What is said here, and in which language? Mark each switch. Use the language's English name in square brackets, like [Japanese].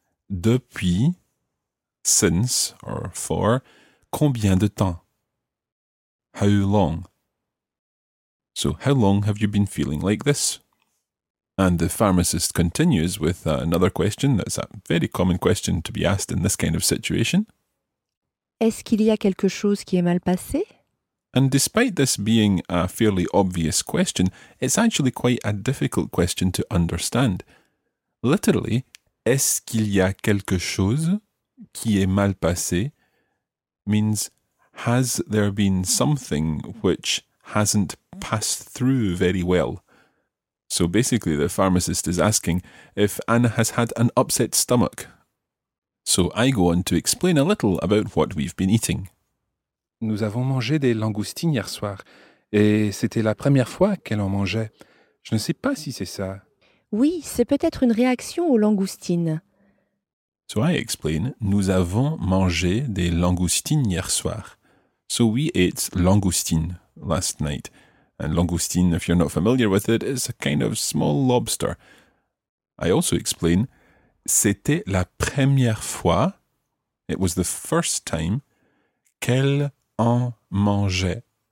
[French] Depuis, [English] since, or for, [French] combien de temps? [English] How long? So, how long have you been feeling like this? And the pharmacist continues with another question that's a very common question to be asked in this kind of situation. [French] Est-ce qu'il y a quelque chose qui est mal passé? [English] And despite this being a fairly obvious question, it's actually quite a difficult question to understand. Literally, [French] est-ce qu'il y a quelque chose qui est mal passé [English] means has there been something which hasn't passed through very well? So basically, the pharmacist is asking if Anna has had an upset stomach. So I go on to explain a little about what we've been eating. [French] Nous avons mangé des langoustines hier soir, et c'était la première fois qu'elle en mangeait. Je ne sais pas si c'est ça. Oui, c'est peut-être une réaction aux langoustines. [English] So I explain, [French] nous avons mangé des langoustines hier soir. [English] So we ate langoustine last night. And langoustine, if you're not familiar with it, is a kind of small lobster. I also explain, [French] c'était la première fois, [English] it was the first time, [French] qu'elle en mangeait.